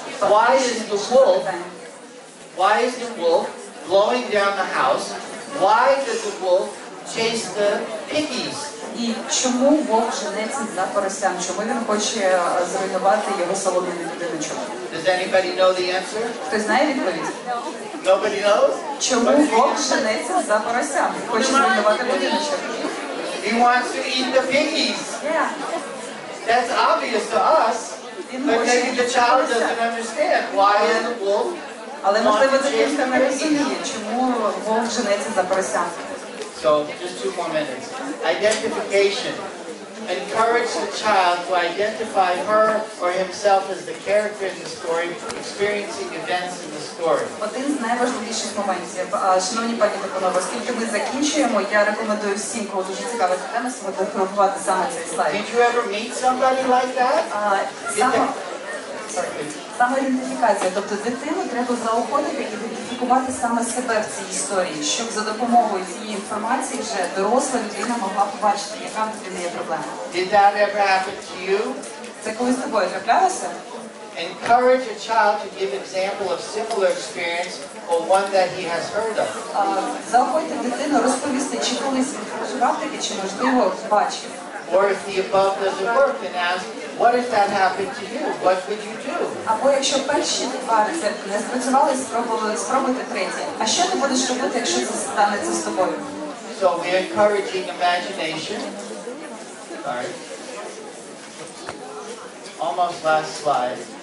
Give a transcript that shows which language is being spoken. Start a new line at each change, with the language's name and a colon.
English: Why is the wolf blowing down the house? Why does the wolf chase the piggies?
Ukrainian: І чому вовк женеться за поросям? Чому він хоче зруйнувати його солодкий будиночок?
English: Does anybody know the answer?
Ukrainian: Хто знає відповідь?
English: No. Nobody knows?
Ukrainian: Чому вовк женеться за поросям? Хоче зруйнувати будиночок.
English: He wants to eat the piggies. Yeah. That's obvious to us. But maybe the child doesn't understand why is the wolf. Але можливо дитина не розуміє, чому вовк женеться за поросям. So, just two more minutes. Identification. Encourage the child to identify her or himself as the character in the story, experiencing events in the story.
Ukrainian: Один з найважливіших моментів. Шановні пані та панове, оскільки ми закінчуємо, я рекомендую всім, кого дуже цікава ця тема, сфотографувати саме цей слайд.
English: Did you ever meet somebody like that?
Ukrainian: Самоідентифікація. Тобто дитину треба заохотити ідентифікувати саме себе в цій історії, щоб за допомогою цієї інформації вже доросла людина могла побачити, яка в дитині є проблема.
English: Did that ever happen to you?
Ukrainian: Це колись з тобою траплялося?
English: Encourage a child to give example of similar experience or one that he has heard of.
Ukrainian: Заохотити дитину розповісти, чи колись він проживав таке, чи можливо бачив.
English: Or if the above doesn't work, then ask, what if that happened to you? What would you do?
Ukrainian: Або якщо перші два рецепти не спрацювали, спробуйте третє. А що ти будеш робити, якщо це станеться з тобою?
English: So we're encouraging imagination. Almost last slide.